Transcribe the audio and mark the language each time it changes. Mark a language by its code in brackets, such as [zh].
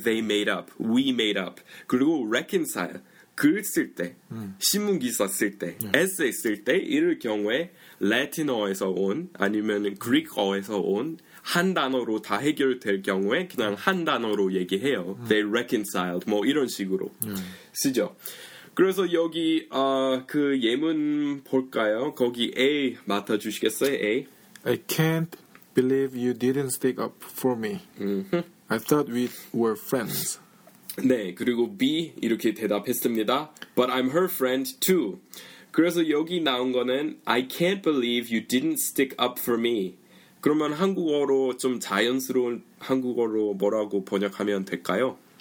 [en] They made up, we made up. [ko] 그리고 reconcile, 글 쓸 때, 신문기사 쓸 때, essay 쓸 때 이럴 경우에 라틴어에서 온 아니면 그리크어에서 온 한 단어로 다 해결될 경우에 그냥 한 단어로 얘기해요. [en] They reconciled, [ko] 뭐 이런 식으로 쓰죠. 그래서 여기 그 예문 볼까요? 거기 A 맡아주시겠어요? [en] A. I can't believe you didn't stick up for me. Mm-hmm. I thought we were friends. [ko] 네, 그리고 B 이렇게 대답했습니다. [en] But I'm her friend too. [ko] 그래서 여기 나온 거는 [en] I can't believe you didn't stick up for me. [ko] 그러면 한국어로 좀 자연스러운 한국어로 뭐라고 번역하면 될까요?